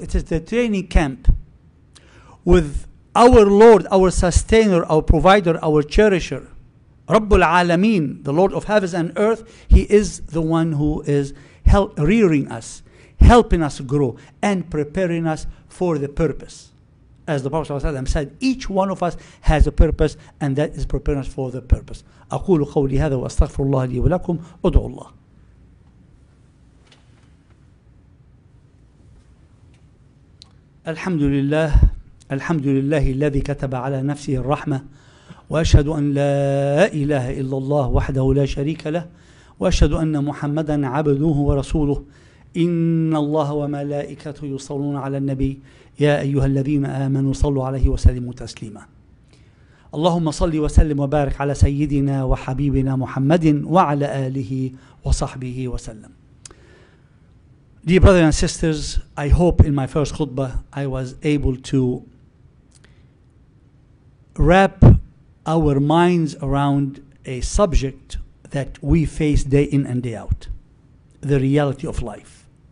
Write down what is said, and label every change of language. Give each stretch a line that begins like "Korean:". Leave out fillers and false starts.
English: It is the training camp with our Lord, our sustainer, our provider, our cherisher, Rabbul Alameen, the Lord of heavens and earth. He is the one who is rearing us, helping us grow, and preparing us for the purpose. As the Prophet ﷺ said, each one of us has a purpose, and that is preparing us for the purpose.
Arabic: أقول قولي هذا وأستغفر الله لي ولكم أدعو الله. الحمد لله. الحمد لله الذي كتب على نفسه الرحمة وأشهد أن لا إله إلا الله وحده لا شريك له وأشهد أن محمدا عبده ورسوله. إن الله وملائكته يصلون على النبي يا أيها الذين آمنوا صلوا عليه وسلموا تسليما. اللهم صل وسلم وبارك على سيدنا وحبيبنا محمد وعلى آله وصحبه وسلم.
English: Dear brothers and sisters, I hope in my first khutbah I was able to wrap our minds around a subject that we face day in and day out, the reality of life.